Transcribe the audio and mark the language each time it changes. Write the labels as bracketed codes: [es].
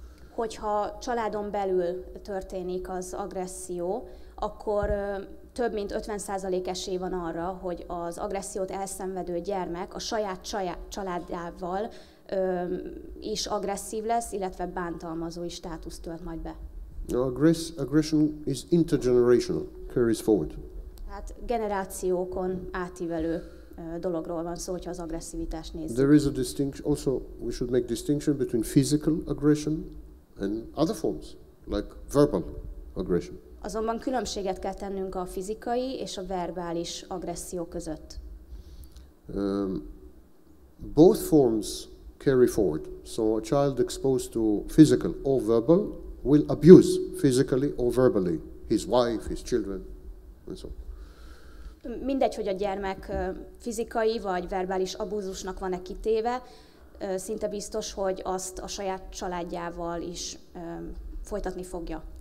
[hu] Hogyha családon belül történik az agresszió, akkor több mint 50% esély van arra, hogy az agressziót elszenvedő gyermek a saját családjával is agresszív lesz, illetve bántalmazói státuszt tölt majd be. [en] No, aggression is intergenerational, carries forward. [hu] Hát generációkon átívelő dologról van szó, hogyha az agresszivitást nézzük. [en] There is a distinction, also we should make distinction between physical aggression and other forms, like verbal aggression. [hu] Azonban különbséget kell tennünk a fizikai és a verbális agresszió között. [en] Both forms carry forward, so a child exposed to physical or verbal will abuse physically or verbally his wife, his children, and so on. [hu] Mindegy, hogy a gyermek fizikai vagy verbális abúzusnak van-e kitéve, szinte biztos, hogy azt a saját családjával is folytatni fogja.